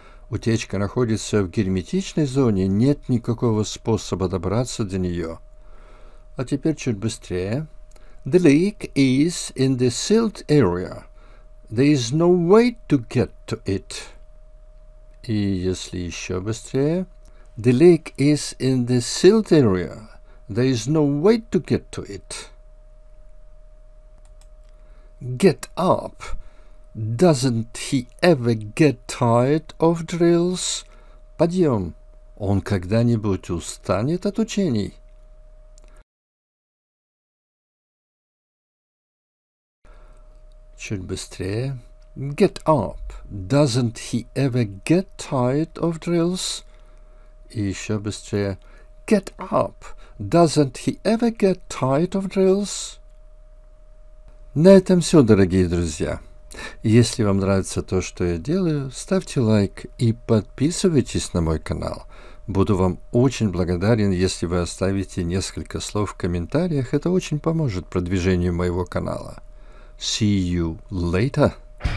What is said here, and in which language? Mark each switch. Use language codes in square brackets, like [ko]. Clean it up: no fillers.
[ru] Утечка находится в герметичной зоне. Нет никакого способа добраться до нее. А теперь чуть быстрее. [en] The leak is in the sealed area. There is no way to get to it. [ru] И если еще быстрее. [en] The leak is in the sealed area. There is no way to get to it. Get up. Doesn't he ever get tired of drills? [ru] Подъем. Он когда-нибудь устанет от учений? Чуть быстрее. [en] Get up. Doesn't he ever get tired of drills? [ru] И еще быстрее. [en] Get up. Doesn't he ever get tired of drills? [ru] На этом все, дорогие друзья. Если вам нравится то, что я делаю, ставьте лайк и подписывайтесь на мой канал. Буду вам очень благодарен, если вы оставите несколько слов в комментариях. Это очень поможет продвижению моего канала. [en] See you later.